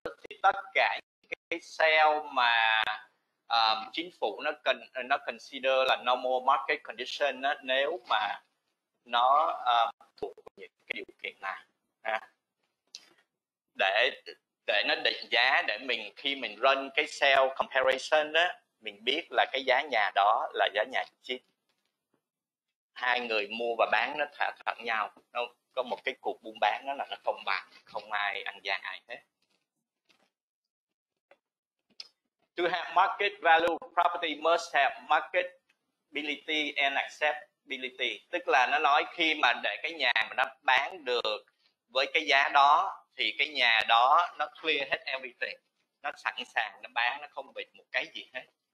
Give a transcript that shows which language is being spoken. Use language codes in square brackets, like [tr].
[vi] Thì tất cả cái sale mà chính phủ nó consider là [en] normal market condition [vi] đó, nếu mà nó thuộc những cái điều kiện này để nó định giá, để mình khi mình run cái sale comparison đó, mình biết là cái giá nhà đó là giá nhà chính, hai người mua và bán nó thỏa thuận nhau, nó có một cái cuộc buôn bán đó là nó công bằng, không ai ăn gian ai hết. [en] To have market value, property must have marketability and acceptability. [vi] Tức là nó nói khi mà để cái nhà mà nó bán được với cái giá đó thì cái nhà đó nó clear hết everything. Nó sẵn sàng, nó bán, nó không bị một cái gì hết.